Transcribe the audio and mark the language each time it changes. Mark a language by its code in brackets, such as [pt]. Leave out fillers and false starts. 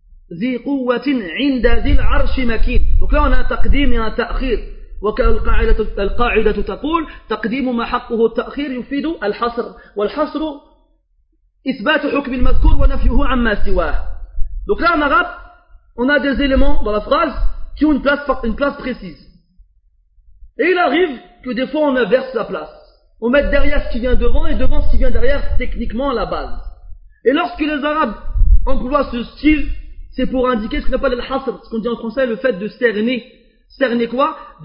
[ar] Zi quwwatin 'inda zil arshi makin. [fr] Donc là on a un taqdim et un ta'khir. [ar] وكالقاعدة القاعدة تقول تقديم ما حقه التأخير يفيد الحصر والحصر إثبات حكم المذكور ونفيه عما سواه. [fr] Donc là on a des éléments dans la phrase qui ont une place précise. Et il arrive que des fois on inverse la place. On met derrière ce qui vient devant et devant ce qui vient derrière, techniquement la base. Et lorsque les Arabes emploient ce style, c'est pour indiquer ce qu'on appelle al-hasr, ce qu'on dit en français le fait de cerner. Cerner quoi ?